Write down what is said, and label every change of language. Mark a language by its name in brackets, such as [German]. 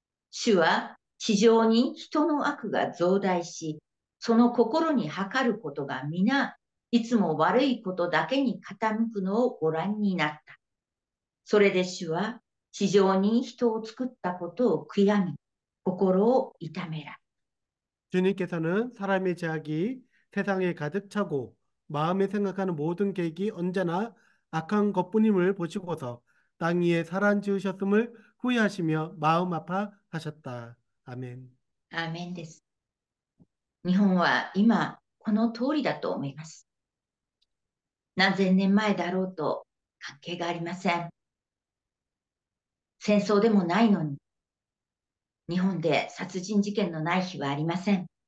[Japanese] 主は地上に人の悪が増大し、その心に計ることが皆、いつも悪いことだけに傾くのをご覧になった。それで主は地上に人を作ったことを悔やみ、心を痛めら。 [Korean] 주님께서는 사람의 죄악이 세상에 가득 차고 마음에 생각하는 모든 계획이 언제나 악한 것뿐임을 보시고서 땅 위에 사람 지으셨음을 후회하시며 마음 아파 하셨다. 아멘. [Japanese] アーメンです。日本は今この通りだと思います。何千年前だろうと関係がありません。戦争でもないのに、日本で殺人事件のない日はありません。